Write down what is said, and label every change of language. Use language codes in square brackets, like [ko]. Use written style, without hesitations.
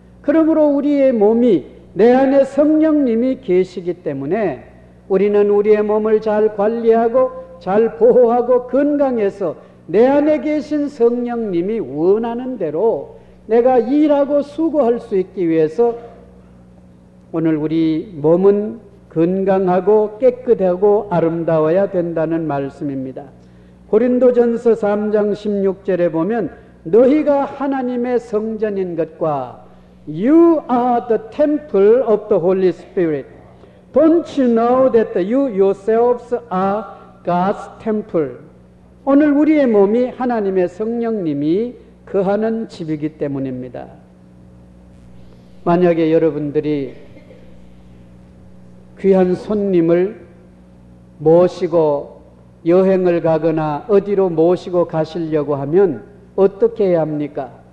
[ko] 그러므로 우리의 몸이 내 안에 성령님이 계시기 때문에 우리는 우리의 몸을 잘 관리하고 잘 보호하고 건강해서 내 안에 계신 성령님이 원하는 대로 내가 일하고 수고할 수 있기 위해서 오늘 우리 몸은 건강하고 깨끗하고 아름다워야 된다는 말씀입니다. 고린도전서 3장 16절에 보면 너희가 하나님의 성전인 것과 [en] You are the temple of the Holy Spirit. Don't you know that you yourselves are God's temple. [ko] 오늘 우리의 몸이 하나님의 성령님이 거하는 집이기 때문입니다. 만약에 여러분들이 귀한 손님을 모시고 여행을 가거나 어디로 모시고 가시려고 하면 어떻게 해야 합니까?